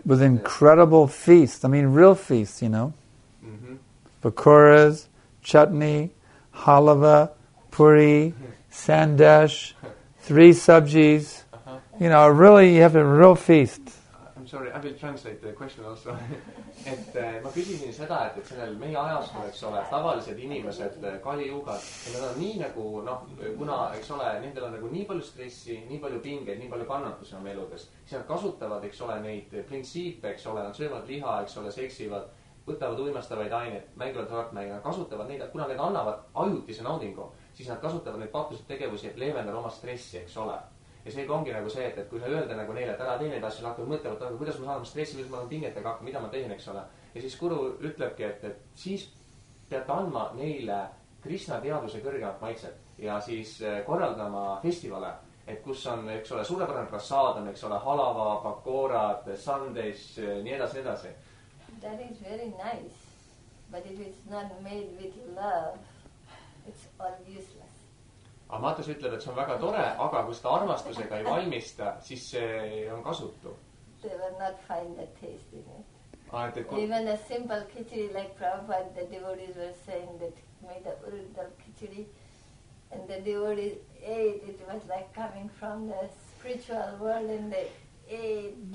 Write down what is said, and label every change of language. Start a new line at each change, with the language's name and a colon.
English: With incredible feasts, I mean real feasts, you know. Mm-hmm. Pakoras, chutney, halava, puri, sandesh, three subjis. Uh-huh. You know, really, you have a real feast. Sorry, I will translate the question also.
Estonian: ma küsisin seda, et sellel meie ajastul, eks ole, tavalised inimesed, Kali Yugas, et nad on nii nagu, noh, kuna, eks ole, nendel on nagu nii palju stressi, nii palju pingeid, nii palju kannatusi on eludes, siis nad kasutavad, eks ole, neid printsiipe, eks ole, nad söövad liha, eks ole, seksivad, võtavad uimastavaid aineid, mängivad hartmängivad, kasutavad neid, kuna need annavad ajutise naudingu, siis nad kasutavad neid paatuse tegevusi, et leevendada oma stressi, eks ole. Ja see ongi nagu see, et kui sa öelda nagu neile, et ära teine taas, siis hakkab mõtlema, et kuidas ma saan stressi, kuidas ma saan pingetega hakkama, mida ma teen, eks ole. Ja siis kuru ütlebki, et siis peab andma neile Krishna teaduse kõrgemat maitset ja siis korraldama festivale, et kus on, eks ole, suurepärane prasaad on, eks ole, halava, pakoorad, sundays, nii edasi, nii edasi.
English: That is very nice, but if it's not made with love, it's all useless.
Estonian: Aga Matus ütleb, et see on väga tore, aga kui seda armastusega ei valmista, siis see on kasutu.
English: They were not fine at tasting it. Even a simple khichdi like Prabhupada, the devotees were saying that he made a urdal khichdi and the devotees ate, it was like coming from the spiritual world and they